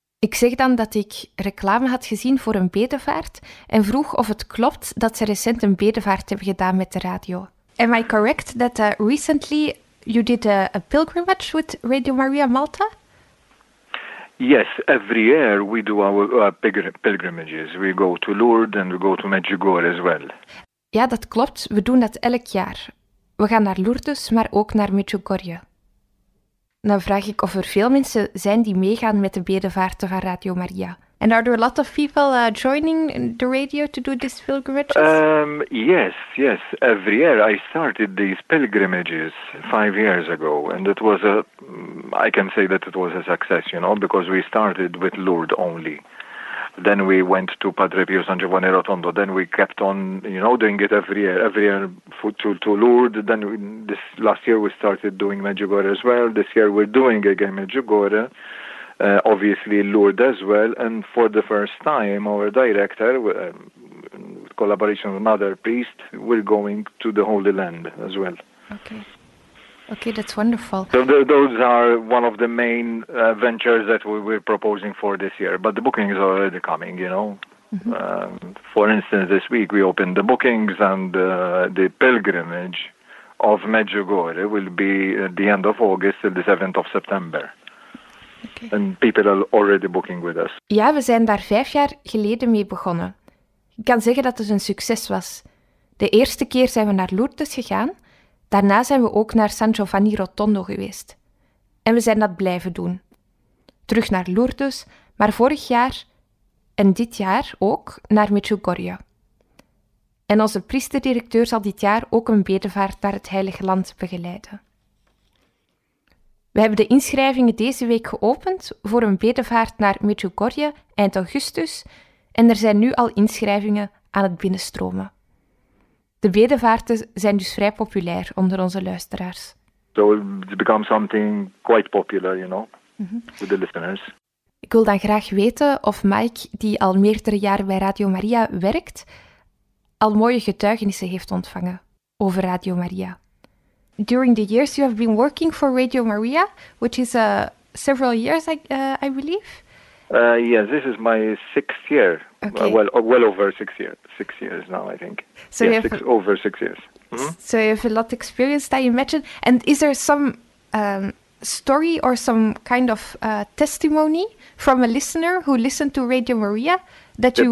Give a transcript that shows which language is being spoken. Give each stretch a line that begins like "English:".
Dutch: Ik zeg dan dat ik reclame had gezien voor een bedevaart en vroeg of het klopt dat ze recent een bedevaart hebben gedaan met de radio.
English: Am I correct that recently you did a pilgrimage with Radio Maria Malta? Yes, every year we do our pilgrimages. We go to Lourdes and we go to Medjugorje as well.
Dutch: Ja, dat klopt. We doen dat elk jaar. We gaan naar Lourdes, maar ook naar Medjugorje. Dan vraag ik of er veel mensen zijn die meegaan met de bedevaarten van Radio Maria.
English: And are there a lot of people joining the radio to do these pilgrimages? Yes. Every year I started these pilgrimages 5 years ago. And it was I can say that it was a success, you know, because we started with Lourdes only. Then we went to Padre Pio San Giovanni Rotondo. Then we kept on, you know, doing it every year to Lourdes. Then last year we started doing Medjugorje as well. This year we're doing again Medjugorje. Obviously Lourdes as well, and for the first time our director, with collaboration with another priest, we're going to the Holy Land as well. Okay, that's wonderful. So those are one of the main ventures that we're proposing for this year, but the bookings are already coming, you know. Mm-hmm. For instance, this week we opened the bookings, and the pilgrimage of Medjugorje will be at the end of August till the 7th of September. Okay. And people are already booking with us.
Dutch: Ja, we zijn daar 5 jaar geleden mee begonnen. Ik kan zeggen dat het een succes was. De eerste keer zijn we naar Lourdes gegaan. Daarna zijn we ook naar San Giovanni Rotondo geweest. En we zijn dat blijven doen. Terug naar Lourdes, maar vorig jaar en dit jaar ook naar Medjugorje. En onze priesterdirecteur zal dit jaar ook een bedevaart naar het Heilige Land begeleiden. We hebben de inschrijvingen deze week geopend voor een bedevaart naar Medjugorje eind augustus en er zijn nu al inschrijvingen aan het binnenstromen. De bedevaarten zijn dus vrij populair onder onze luisteraars.
English: So it becomes something quite popular, you know, with the listeners.
Dutch: Ik wil dan graag weten of Mike, die al meerdere jaren bij Radio Maria werkt, al mooie getuigenissen heeft ontvangen over Radio Maria.
English: During the years you have been working for Radio Maria, which is several years, I believe. Yes, this is my sixth year. Okay. Well over 6 years. 6 years now, I think. So yeah, over 6 years. Mm-hmm. So you have a lot of experience, I imagine. And is there some story or some kind of testimony from a listener who listened to Radio Maria that you...